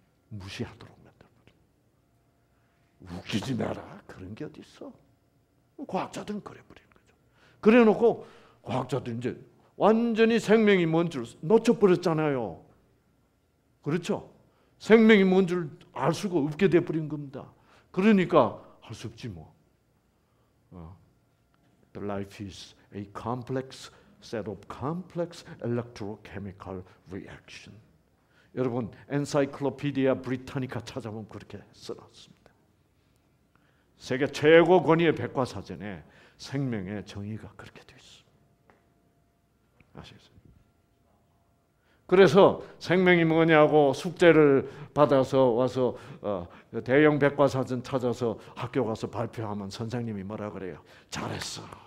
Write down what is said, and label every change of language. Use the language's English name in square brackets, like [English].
[Korean] 무시하도록 만들어버려. 웃기지 마라. 그런 게 어디 있어? 과학자들은 그래버리는 거죠. 그래 놓고 과학자들 이제 완전히 생명이 뭔 줄 놓쳐버렸잖아요. 그렇죠? 생명이 뭔 줄 알 수가 없게 돼버린 겁니다. 그러니까 할 수 없지 뭐. [English] The life is a complex set of complex electrochemical reaction. [Korean] 여러분, 엔사이클로피디아 브리타니카 찾아보면 그렇게 써놨습니다. 세계 최고 권위의 백과사전에 생명의 정의가 그렇게 돼 있어요. 아시겠어요? 그래서 생명이 뭐냐고 숙제를 받아서 와서 대형 백과사전 찾아서 학교 가서 발표하면 선생님이 뭐라 그래요? 잘했어.